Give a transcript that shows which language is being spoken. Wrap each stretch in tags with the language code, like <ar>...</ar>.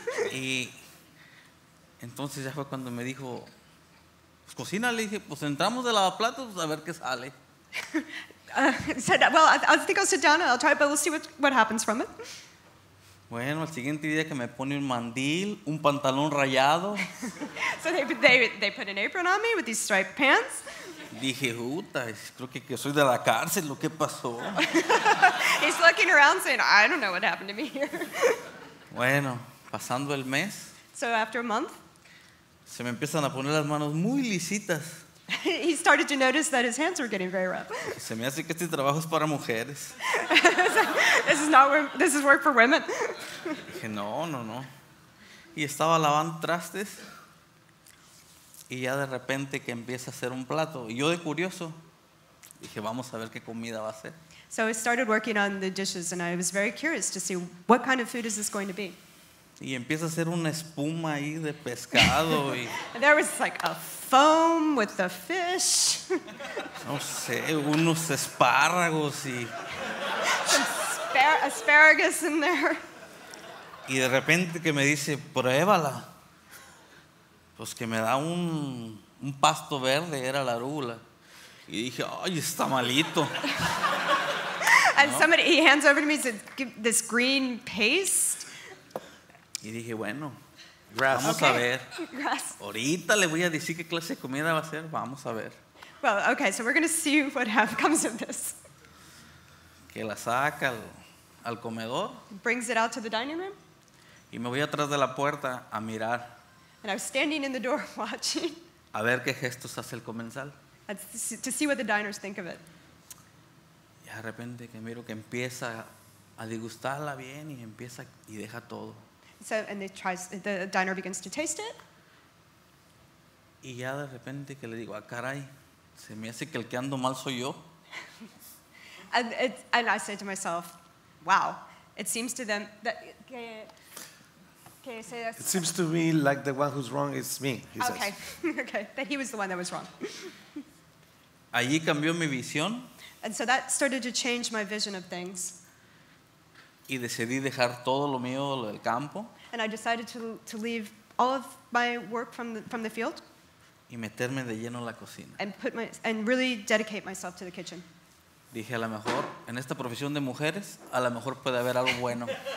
<es>Y entonces ya fue cuando me dijo, pues cocina, le dije, pues entramos de lavaplatos a ver qué sale.</es> <en>Said, well, I think I'll sit down and I'll try it, but we'll see what happens from it.</en> <es>Bueno, el siguiente día que me pone un mandil, un pantalón rayado.</es> <en>So they put an apron on me with these striped pants.</en> <es>Dije, puta, creo que soy de la cárcel, ¿lo que pasó?</es> <en>He's looking around saying, I don't know what happened to me here.</en> <es>Bueno, pasando el mes.</es> <en>So after a month.</en> <es>Se me empiezan a poner las manos muy lisitas.</es> <en>He started to notice that his hands were getting very rough.</en> <es>Se me hace que este trabajo es para mujeres.</es> <en>This is work for women.</en> <es>Dije, no. Y estaba lavando trastes. Y ya de repente que empieza a hacer un plato. Y yo de curioso, dije, vamos a ver qué comida va a ser.</es> <en>So I started working on the dishes and I was very curious to see what kind of food is this going to be.</en> <es>Y empieza a hacer una espuma ahí de pescado. Y</es> <en>there was like a foam with the fish.</en> <es>No sé, unos espárragos y</es> <en>asparagus in there.</en> <es>Y de repente que me dice, pruébala. Pues que me da un pasto verde, era la arúgula. Y dije, ay, está malito.</es> <en>And somebody, he hands over to me, said, this green paste.</en> <es>Y dije, bueno, grass. Vamos</es> <en>okay.</en> <es>A ver.</es> <en>Grass.</en> <es>Ahorita le voy a decir qué clase de comida va a ser, vamos a ver.</es> <en>Well, okay, so we're going to see what comes of this.</en> <es>Que la saca al comedor.</es> <en>Brings it out to the dining room.</en> <es>Y me voy atrás de la puerta a mirar.</es> <en>And I was standing in the door watching.</en> <es>A ver qué gestos hace el comensal.</es> <en>To see what the diners think of it.</en> <es>Y de repente que miro que empieza a degustarla bien y empieza y deja todo.</es> <en>So and they tries, the diner begins to taste it.</en> <es>Y ya de repente que le digo, ah, caray, se me hace que el que ando mal soy yo.</es> <en>And I say to myself, wow, it seems to them that que, it seems to me like the one who's wrong is me, he okay. says. Okay, that he was the one that was wrong.</en> <es>Allí cambió mi visión.</es> <en>And so that started to change my vision of things.</en> <es>Y decidí dejar todo lo mío, lo del campo.</es> <en>And I decided to leave all of my work from the field.</en> <es>Y meterme de lleno a la cocina.</es> <en>And really dedicate myself to the kitchen.</en> <es>Dije, a lo mejor, en esta profesión de mujeres, a lo mejor puede haber algo bueno.</es>